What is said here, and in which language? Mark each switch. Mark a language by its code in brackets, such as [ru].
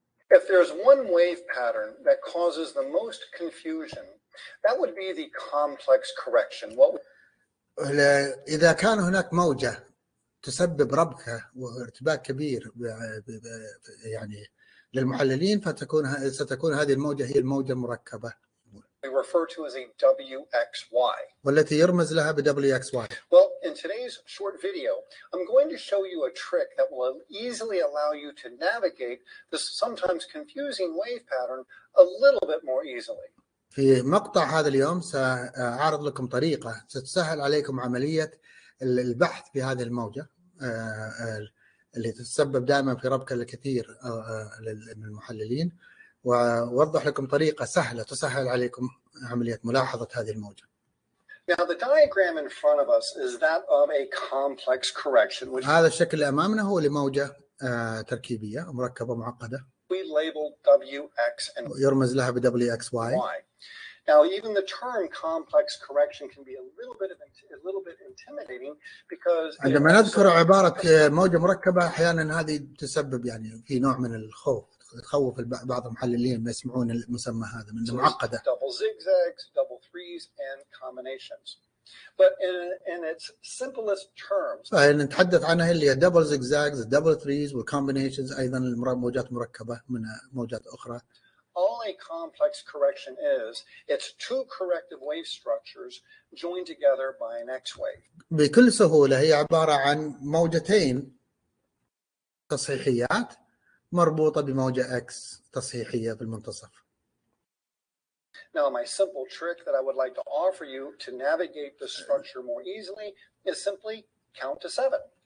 [en] If there's one wave pattern that causes the most confusion, that would be the complex correction. [ar] إذا كان هناك موجة تسبب ربكة وارتباك كبير يعني للمحللين، ستكون هذه الموجة هي الموجة المركبة. [en] We refer to as a WXY. [ar] والتي يرمز لها بWXY. [en] Well, in today's short video, I'm going to show you a trick that will easily allow you to navigate this sometimes confusing wave pattern a little bit more easily. [ar] في مقطع هذا اليوم سأعرض لكم طريقة ستسهل عليكم عملية البحث في هذه الموجة اللي تتسبب دائما في ربكة الكثير للمحللين. وأوضح لكم طريقة سهلة تسهل عليكم عملية ملاحظة هذه الموجة. [en] Now the diagram in front of us is that of a complex correction. [ar] هذا الشكل اللي أمامنا هو لموجة تركيبية مركبة معقدة. [en] We labeled WX and [ar] يرمز لها بWXY. [en] Now, even the term complex correction can be a little bit intimidating because [ar] عندما نذكر عبارة موجة مركبة أحيانا هذه تسبب يعني في نوع من الخوف تخوف بعض المحللين ما يسمعون المسمى هذا من معقدة. [en] Double zigzags, double threes, and combinations. But in its simplest terms. [ar] نتحدث عنها اللي هي [en] double zigzags, double threes, [ar] والcombinations أيضا الموجات مركبة من موجات أخرى. [en] All a complex correction is, it's two corrective wave structures joined together by an X wave. [ar] بكل سهولة هي عبارة عن موجتين تصحيحيات مربوطة بموجة X تصحيحية في المنتصف. [en] Now my simple trick that I would like to offer you to navigate the structure more easily is simply count to seven.